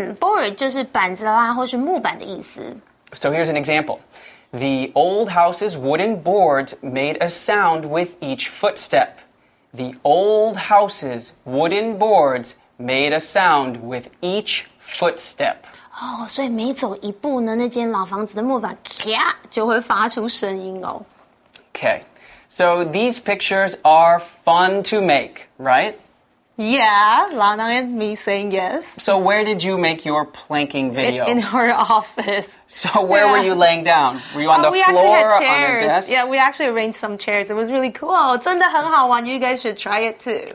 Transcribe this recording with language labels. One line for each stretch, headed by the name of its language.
Chinese: Board 就是板子啦，或是木板的意思。
English: So here's an example. The old house's wooden boards made a sound with each footstep. The old house's wooden boards made a sound with each footstep.
Chinese: 所以每走一步呢，那间老房子的木板咔就会发出声音哦。
English: Okay, so these pictures are fun to make, right? Yeah, Lana and me saying yes. So where did you make your planking video? In her office. So where were you laying down? Were you on the floor or on the desk? Yeah, we actually arranged some chairs. It was really cool.
Chinese: 真的很好玩
English: You guys should try it too.